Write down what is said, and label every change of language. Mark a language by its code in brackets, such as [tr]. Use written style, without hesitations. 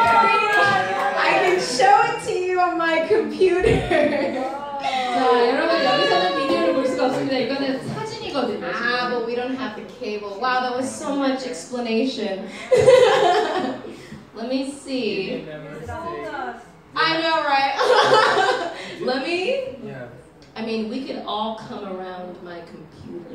[en] I can show it to you on my computer. [ko] 자, 여러분 여기서는 비디오를 볼 수가 없습니다. 이거는 사진이거든요. [en] 아, but we don't have the cable. Wow, that was so much explanation. Let me see. You can never see. It's all us. I know, right? Let me? Yeah. I mean, we could all come around my computer.